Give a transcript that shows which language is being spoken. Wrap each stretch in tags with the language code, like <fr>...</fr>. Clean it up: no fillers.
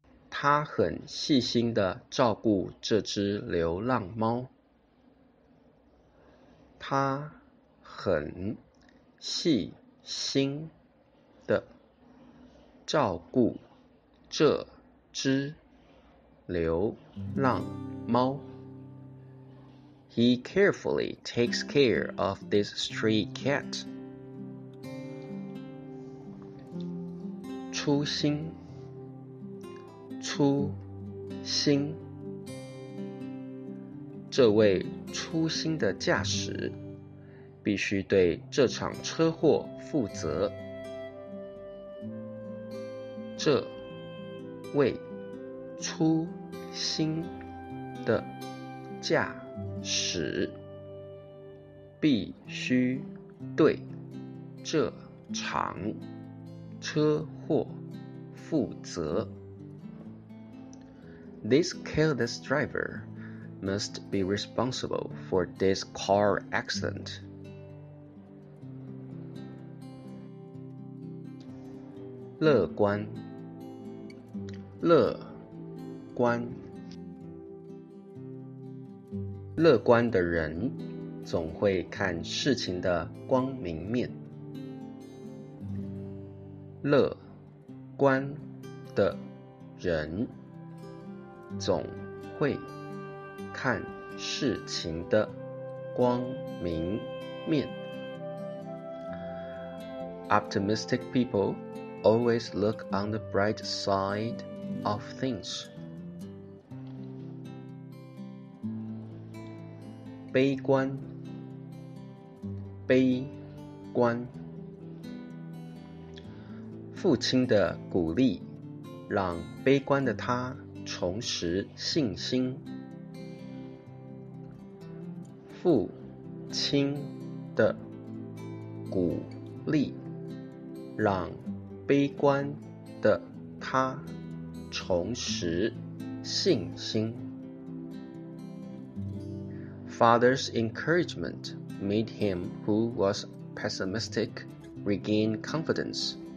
<zh>她很细心地照顾这只流浪猫。她很细心地照顾这只流浪猫。</zh> <en>He carefully takes care of this stray cat.</en> <zh>粗心，粗心。这位粗心的驾驶必须对这场车祸负责。这位粗心的驾驶必须对这场车祸负责。</zh> <en>This careless driver must be responsible for this car accident.</en> <zh>乐观，乐观。乐观的人总会看事情的光明面。乐观的人总会看事情的光明面。</zh> <en>Optimistic people. Always look on the bright side of things.</en> <zh>悲观，悲观。父亲的鼓励让悲观的他重拾信心。父亲的鼓励让悲观的他重拾信心。</zh> <en>Father's encouragement made him who was pessimistic regain confidence.</en>